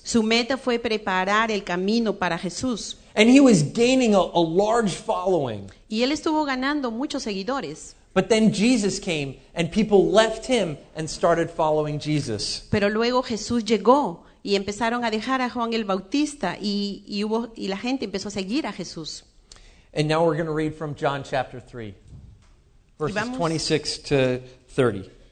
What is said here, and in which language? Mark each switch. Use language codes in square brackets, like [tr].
[es] Su meta fue preparar el camino para Jesús. [en] And he was gaining a large following. [es] Y él estuvo ganando muchos seguidores. [en] But then Jesus came and people left him and started following Jesus. [es] Pero luego Jesús llegó y empezaron a dejar a Juan el Bautista y la gente empezó a seguir a Jesús. [en] And now we're going to read from John chapter 3, verses 26 to 30.